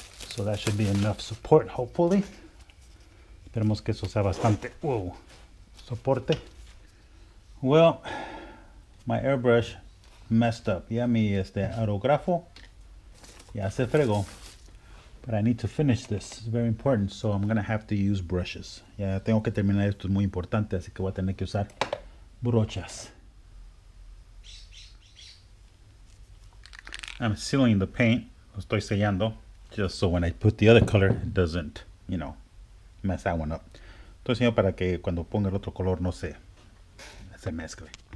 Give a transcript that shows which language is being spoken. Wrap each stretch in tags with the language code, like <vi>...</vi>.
<en>So that should be enough support, hopefully.</en> <es>Esperemos que eso sea bastante.</es> <en>Whoa. Soporte. Well, my airbrush messed up.</en> <es>Ya mi aerógrafo ya se fregó.</es> <en>But I need to finish this. It's very important. So I'm going to have to use brushes.</en> <es>Ya tengo que terminar esto. Es muy importante. Así que voy a tener que usar brochas.</es> <en>I'm sealing the paint,</en> <es>lo estoy sellando,</es> <en>just so when I put the other color, it doesn't, you know, mess that one up.</en> <es>Estoy sellando para que cuando ponga el otro color no se mezcle.</es>